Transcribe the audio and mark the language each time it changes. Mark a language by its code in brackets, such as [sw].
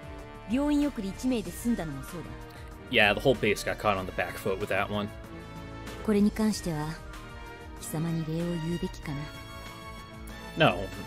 [ja] 例のクーデター騒ぎで1名の戦死者にとどまったのはXM3を搭載していたおかげだろう。1週間前のベータ奇襲の際に戦死1名、病院送り1名で済んだのもそうだ。 [en] Yeah, the whole base got caught on the back foot with that one. [ja] これに関しては貴様に礼を言うべきかな。 [en] No,